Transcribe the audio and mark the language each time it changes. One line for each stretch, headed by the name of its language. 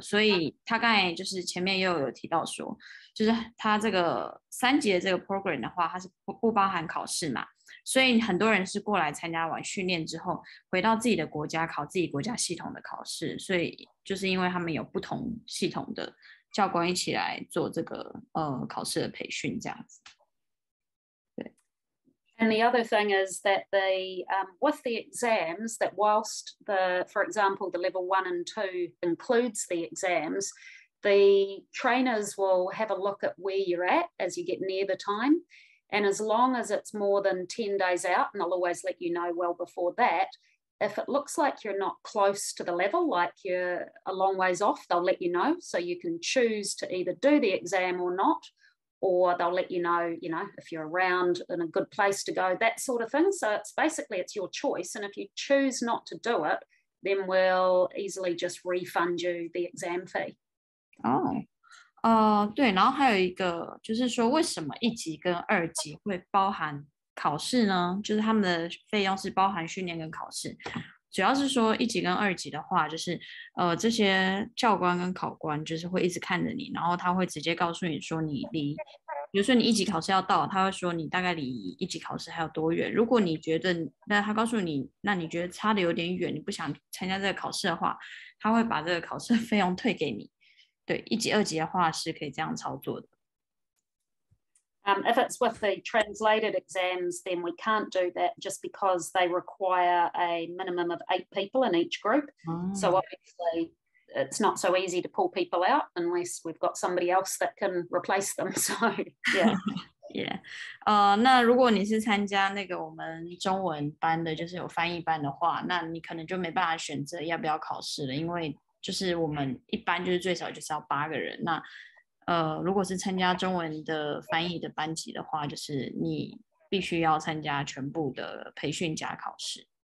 Chinese: 所以他刚才就是前面又有提到说，就是他这个三级的这个 program 的话，他是 不包含考试嘛，所以很多人是过来参加完训练之后回到自己的国家考自己国家系统的考试，所以就是因为他们有不同系统的教官一起来做这个考试的培训这样子。
English: And the other thing is that the with the exams, that whilst the, for example, the level one and two includes the exams, the trainers will have a look at where you're at as you get near the time. And as long as it's more than 10 days out, and they'll always let you know well before that, if it looks like you're not close to the level, like you're a long ways off, they'll let you know. So you can choose to either do the exam or not. Or they'll let you know, if you're around in a good place to go, that sort of thing. So it's basically, it's your choice. And if you choose not to do it, then we'll easily just refund you the exam fee.
Chinese: 对，然后还有一个就是说为什么一级跟二级会包含考试呢？就是他们的费用是包含训练跟考试。主要是说一级跟二级的话，就是这些教官跟考官就是会一直看着你，然后他会直接告诉你说你离，比如说你一级考试要到，他会说你大概离一级考试还有多远。如果你觉得那他告诉你，那你觉得差的有点远，你不想参加这个考试的话，他会把这个考试费用退给你。对，一级二级的话是可以这样操作的。
English: If it's with the translated exams, then we can't do that just because they require a minimum of 8 people in each group. Oh. So obviously, it's not so easy to pull people out unless we've got somebody else that can replace them. So, yeah. yeah.
Chinese: 那如果你是参加那个我们中文班的，就是有翻译班的话，那你可能就没办法选择要不要考试了，因为就是我们一般就是最少就是要8个人。那如果是参加中文的翻译的班级的话，就是你必须要参加全部的培训加考试。